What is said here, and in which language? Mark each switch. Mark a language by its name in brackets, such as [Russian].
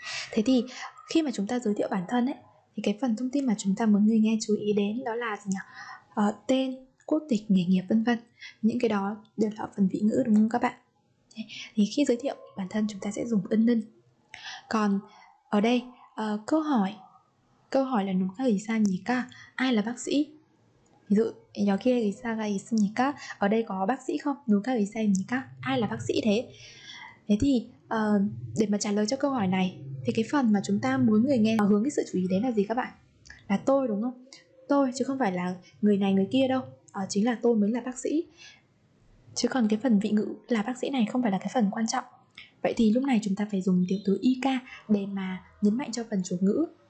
[Vietnamese] Thế thì khi mà chúng ta giới thiệu bản thân ấy, thì cái phần thông tin mà chúng ta muốn người nghe chú ý đến đó là gì nhỉ? Tên, quốc tịch, nghề nghiệp vân vân. Những cái đó đều là phần vị ngữ đúng không các bạn? Thì khi giới thiệu bản thân chúng ta sẽ dùng ân ngân. Còn ở đây câu hỏi là [Korean] 누가 의사입니까? [Vietnamese] Ai là bác sĩ? Ví dụ [Korean] 여기 의사가 있습니까? [Vietnamese] Ở đây có bác sĩ không? [Korean] 누가 의사입니까? [Vietnamese] Ai là bác sĩ thế? Thế thì để mà trả lời cho câu hỏi này thì cái phần mà chúng ta muốn người nghe hướng cái sự chú ý đến là gì các bạn? Là tôi đúng không? tôi chứ không phải là người này người kia đâu. Chính là tôi mới là bác sĩ. Chứ còn cái phần vị ngữ là bác sĩ này không phải là cái phần quan trọng. Vậy thì lúc này chúng ta phải dùng tiểu từ IK để mà nhấn mạnh cho phần chủ ngữ.